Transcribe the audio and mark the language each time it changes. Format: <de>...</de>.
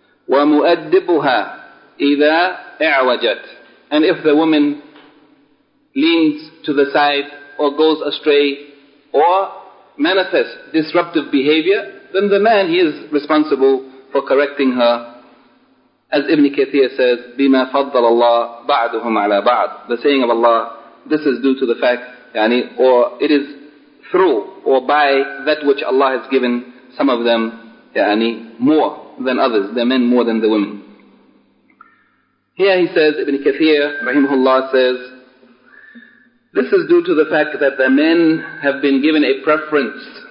<ar>وَمُؤَدِّبُهَا إِذَا اِعْوَجَتْ.</ar> <en>And if the woman leans to the side or goes astray or manifests disruptive behavior, then the man, he is responsible for correcting her. As Ibn Kathir says,</en> <ar>بِمَا فَضَّلَ اللَّهُ بَعْدُهُمْ عَلَى بَعْدٍ.</ar> <en>The saying of Allah, this is due to the fact, يعني, or it is through or by that which Allah has given some of them, يعني, more than others, the men more than the women. Here he says, Ibn Kathir, rahimahullah, says, this is due to the fact that the men have been given a preference.</en>